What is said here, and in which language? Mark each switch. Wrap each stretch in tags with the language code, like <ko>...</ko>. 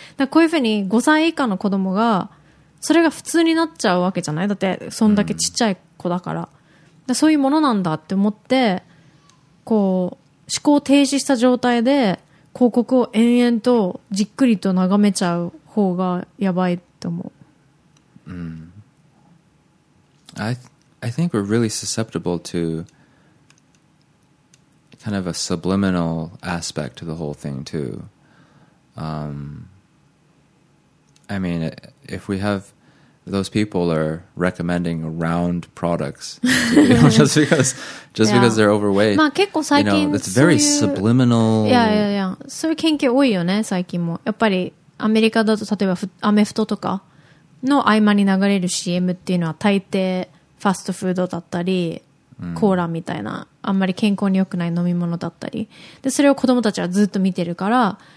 <ja>だこういうふうに5歳以下の子供がそれが普通になっちゃうわけじゃない。だってそんだけちっちゃい子だから、うん、だからそういうものなんだって思ってこう思考停止した状態で広告を延々とじっくりと眺めちゃう方がやばいと思う。うん。</ja> <en>I think we're really susceptible to kind of a subliminal aspect to the whole thing too. I mean, if we have those people are recommending round products because they're overweight.</en> <ja>まあ結構最近</ja> <en>you know, it's very</en> <ja>そういう</ja> <en>subliminal. Yeah, yeah, yeah.</en> <ja>そういう研究多いよね最近も。やっぱりアメリカだと例えばアメフトとかの合間に流れる CM っていうのは大抵ファストフードだったり、mm. コーラみたいなあんまり健康に良くない飲み物だったり、でそれを子供たちはずっと見てるから。</ja>